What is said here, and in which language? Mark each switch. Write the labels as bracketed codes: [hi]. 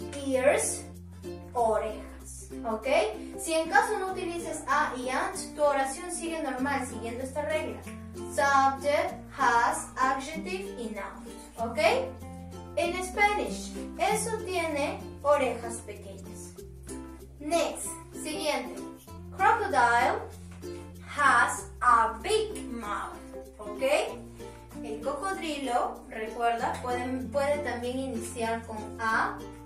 [es] Ears, oreja. ¿Ok? Si en caso no utilices a y and, tu oración sigue normal, siguiendo esta regla. [en] Subject, has, adjective y noun. ¿Ok? [es] En Spanish, eso tiene orejas pequeñas. [en] Next, [es] siguiente. [en] Crocodile has a big mouth. [es] ¿Ok? El cocodrilo, recuerda, puede también iniciar con a.